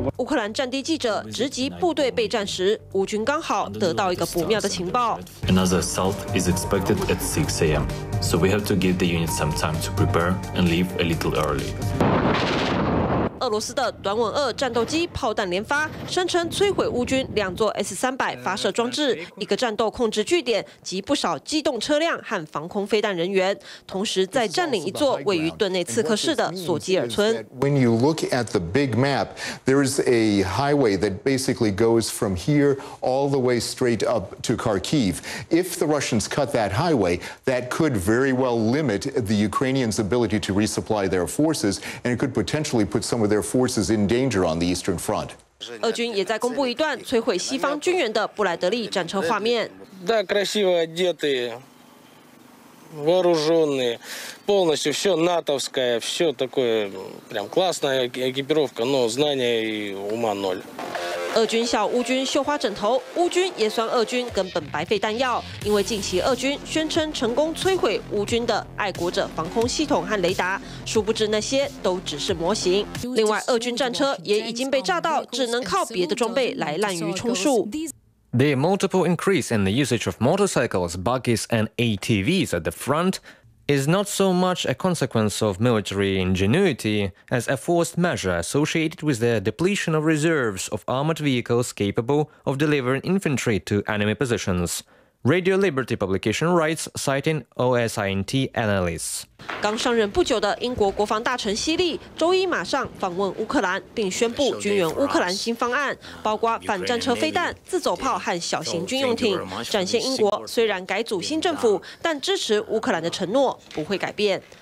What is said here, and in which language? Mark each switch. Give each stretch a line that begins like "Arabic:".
Chinese: 乌克兰战地记者直击部队备战时，乌军刚好得到一个不妙的情报。
English: Another assault is expected at 6 a.m. So we have to give the unit some time to prepare and leave a little early.
Chinese: 俄罗斯的短吻二战斗机炮弹连发，声称摧毁乌军两座 S-300 发射装置、一个战斗控制据点及不少机动车辆和防空飞弹人员，同时再占领一座位于顿内茨克市的索基尔村。
English: When you look at the big map, there is a highway that basically goes from here all the way straight up to Kharkiv. If the Russians cut that highway, that could very well limit the Ukrainians' ability to resupply their forces, and it could potentially put some of their forces in danger on the eastern front.
Chinese: 俄军也在公布一段摧毁西方军援的布莱德利战车画面。
Russian: Да, красиво одетые. Вооруженные, полностью все натовское, все такое прям классная экипировка, но знания и ума ноль.
Chinese: 俄军笑乌军绣花枕头，乌军也算俄军根本白费弹药，因为近期俄军宣称成功摧毁乌军的爱国者防空系统和雷达，殊不知那些都只是模型。另外，俄军战车也已经被炸到，只能靠别的装备来滥竽充数。
English: The multiple increase in the usage of motorcycles, buggies and ATVs at the front is not so much a consequence of military ingenuity as a forced measure associated with the depletion of reserves of armored vehicles capable of delivering infantry to enemy positions. Radio Liberty Publication writes, citing OSINT analysts.
Chinese: 刚上任不久的英国国防大臣希利周一马上访问乌克兰，并宣布军援乌克兰新方案，包括反战车飞弹、自走炮和小型军用艇，展现英国虽然改组新政府，但支持乌克兰的承诺不会改变。